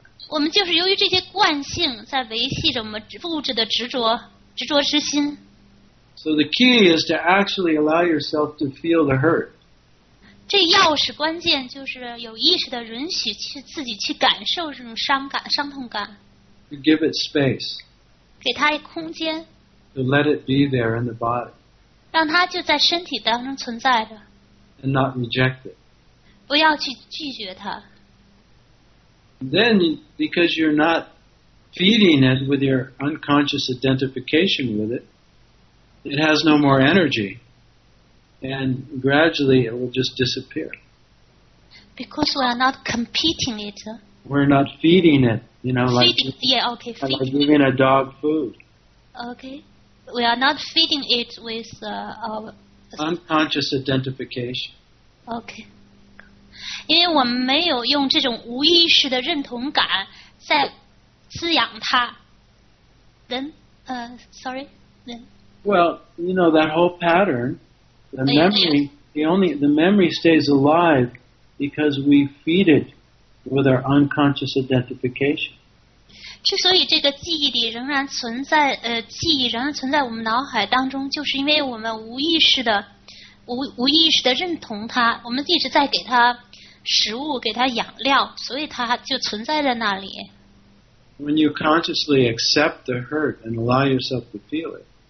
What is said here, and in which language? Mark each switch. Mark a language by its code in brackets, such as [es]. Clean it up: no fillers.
[zh] 我们就是由于这些惯性在维系着我们物质的执着之心。 [en] So the key is to actually allow yourself to feel the hurt. [zh] 这钥匙关键就是有意识的允许去自己去感受这种伤痛感。 [en] You give it space. [zh] 给它一空间。 [en] To let it be there in the body. [zh] 让它就在身体当中存在着。 [en] And not reject it. [zh] 不要去拒绝它。 [en] Then, because you're not feeding it with your unconscious identification with it, it has no more energy. And gradually it will just disappear. Because we are not competing it. We're not feeding it, you know, feeding, like giving a dog food. Okay. We are not feeding it with our unconscious identification. Okay. [zh] 因为我们没有用这种无意识的认同感在滋养它。 [en] Well, you know, that whole pattern... The memory stays alive because we feed it with our unconscious identification. [zh] 之所以这个记忆里仍然存在，记忆仍然存在我们脑海当中，就是因为我们无意识的认同它，我们一直在给它食物，给它养料，所以它就存在在那里。 [en] When you consciously accept the hurt and allow yourself to feel it.